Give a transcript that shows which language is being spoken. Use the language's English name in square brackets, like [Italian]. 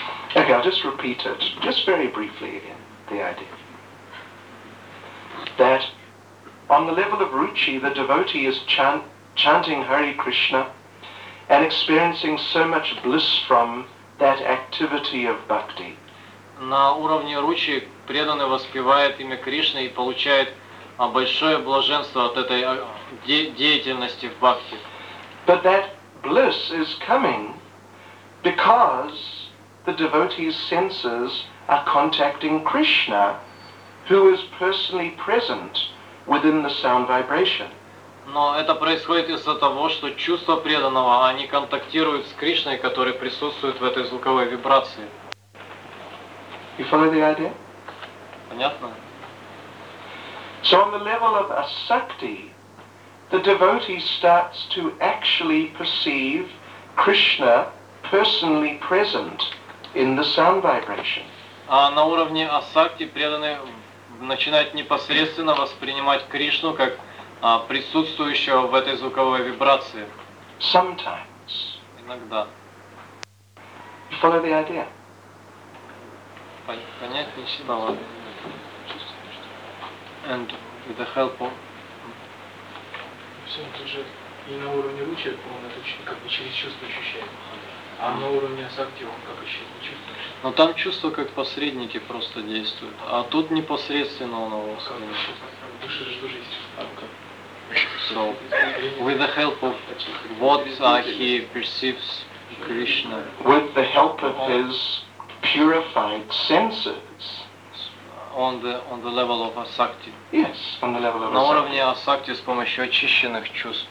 [English] Okay, I'll just repeat it, just very briefly again, the idea. That on the level of ruchi, the devotee is chanting Hare Krishna and experiencing so much bliss from that activity of bhakti. [Russian] На уровне ручи преданный воспевает имя Кришны и получает большое блаженство от этой деятельности в бхакти. [English] But that bliss is coming because the devotee's senses are contacting Krishna, who is personally present within the sound vibration. [Russian] Но это происходит из-за того, что чувства преданного, они контактируют с Кришной, который присутствует в этой звуковой вибрации. [English] You follow the idea? [Russian] Понятно. [English] So on the level of asakti, the devotee starts to actually perceive Krishna personally present in the sound vibration. [Russian] А на уровне асакти преданный начинает непосредственно воспринимать Кришну как присутствующего в этой звуковой вибрации. [English] Sometimes. [Russian] Иногда. [English] You follow the idea? [Russian] Понять не стало. [English] And with the help of... [Russian] Все, это же и на уровне ручи он это как бы через чувство ощущает. А на уровне асакти он как ощущает чувство. Но там чувства как посредники просто действуют. А тут непосредственно он его воспринимает. В душе же тоже есть чувство. [English] So, with the help of what he perceives Krishna. With the help of his purified senses. On the level of asakti. Yes, on the level of [Russian] asakti. На уровне асакти с помощью очищенных чувств.